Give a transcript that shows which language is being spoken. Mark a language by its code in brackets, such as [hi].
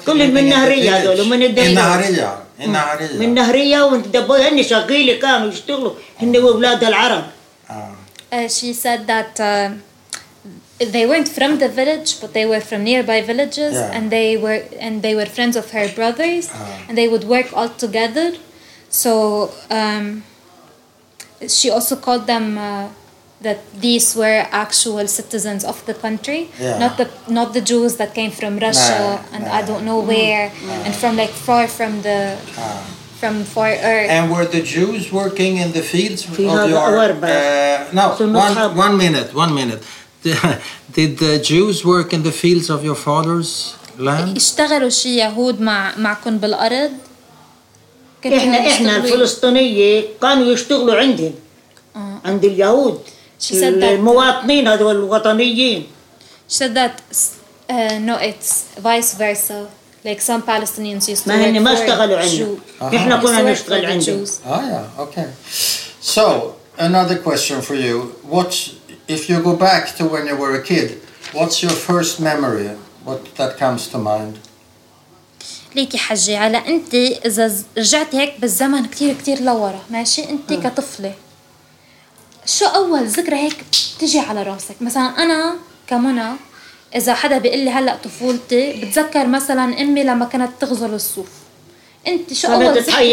[ar] كل من نهرية هذول ومن الدير. من نهرية. من نهرية. من نهرية وانت دبوي هني شغيلة كانوا يشتغلوا هني وأولاد العرب. [en] She said that they weren't from the village, but they were from nearby villages, and they were friends of her brothers, and they would work all together. So she also called them that these were actual citizens of the country, not the Jews that came from Russia I don't know where, and from like far from the from far earth. And were the Jews working in the fields of your One minute. Did the Jews work in the fields of your father's land? [ar] اشتغلوا شي يهود معكم بالأرض. إحنا الفلسطينية كانوا يشتغلوا عندهم عند اليهود المواطنين هذول الوطنيين. [en] She said that no, it's vice versa. Like some Palestinians used to [ar] ما هني ما اشتغلوا عندنا. إحنا كنا نشتغل عندنا. [en] Okay. So another question for you: what if you go back to when you were a kid? What's your first memory? What that comes to mind? [ar] ليكي حجي على أنت إذا رجعت هيك بالزمن كتير كتير لورا ماشي أنت كطفلة شو أول ذكرى هيك تجي على راسك مثلا أنا كمنى إذا حدا بيقول لي هلأ طفولتي بتذكر مثلا أمي لما كانت تغزل الصوف أنت شو أول ذكرى